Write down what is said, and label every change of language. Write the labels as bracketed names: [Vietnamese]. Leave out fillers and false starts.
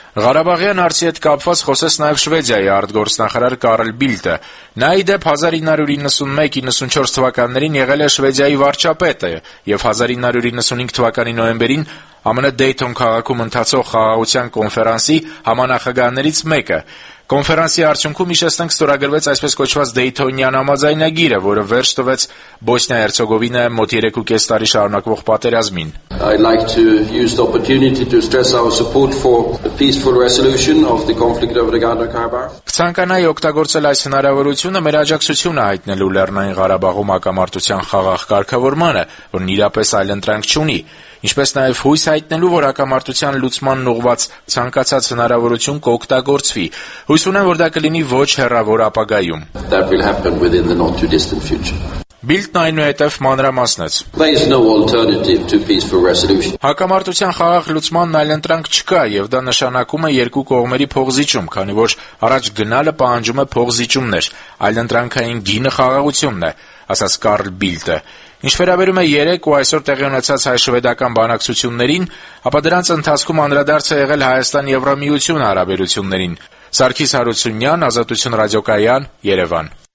[Armenian] Ղարաբաղյան հարցի հետ կապված խոսեց նաև Շվեդիայի արտգործնախարար Կարլ Բիլտը։ Նա ի դեպ 1991-94 թվականներին եղել է Շվեդիայի վարչապետը և 1995 թվականի նոյեմբերին ԱՄՆ Dayton քաղաքում ընթացող խաղաղության կոնֆերանսի համանախագահներից մեկը։ Կոնֆերանսի արդյունքում միջեստենք ստորագրվեց այսպես կոչված Daytonian համաձայնագիրը, որը վերջ տվեց Բոսնիա-Հերցեգովինա մոտ 3.5 տարի շարունակվող պատերազմին։ [English] I'd like to use the opportunity to stress our support for the peaceful resolution of the conflict over Nagorno-Karabakh. [Armenian] Ցանկանայի օգտագործել այս հնարավորությունը մեր աջակցությունը հայտնելու Լեռնային Ղարաբաղում ակամարտության խաղաղ կարգավորմանը, որն իրապես այլ ընտրանք չունի, ինչպես նաև հույս հայտնելու, որ ակամարտության լուսման ուղված ցանկացած հնարավորություն կօգտագործվի։ Հույս ունեմ, որ դա կլինի ոչ հեռավոր ապագայում։ [English] That will happen within the not too distant future. [Armenian] Բիլտն այնուհետև մանրամասնեց. [English] There is no alternative to peaceful resolution. [Armenian] Հակամարտության խաղաղ լուծման այլ ընտրանք չկա, և դա նշանակում է երկու կողմերի փողզիչում, քանի որ առաջ գնալը պահանջում է փողզիչումներ, այլ ընտրանքային գինը խաղաղությունն է, ասաց Կարլ Բիլտը։ Ինչ վերաբերում է 3 ու այսօր տեղի ունեցած հայ-շվեդական բանակցություններին, ապա դրանց ընթացքում անդրադարձ է եղել Հայաստան-Եվրամիություն հարաբերություններին։ Սարգիս Հարությունյան, Ազատություն ռադիոկայան, Երևան։